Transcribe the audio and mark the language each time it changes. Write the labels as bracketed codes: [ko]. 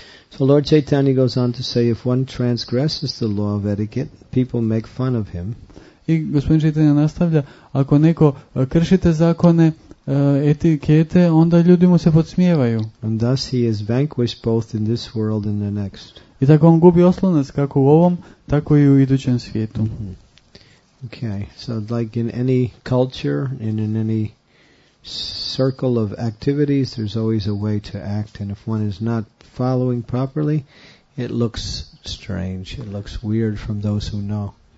[en] So Lord Chaitanya goes on to say, if one transgresses the law of etiquette, people make fun of him. [hr] I gospodin Chaitanya nastavlja, ako neko kršite zakone etikete, onda ljudi mu se podsmijevaju. [en] And thus he is vanquished both in this world and the next. [hr] I tako on gubi oslonac kako u ovom, tako i u idućem svijetu. [en] Okay, so like in any culture, in any circle of activities, there's always a way to act, and if one is not following properly, it looks strange, it looks weird from those who know.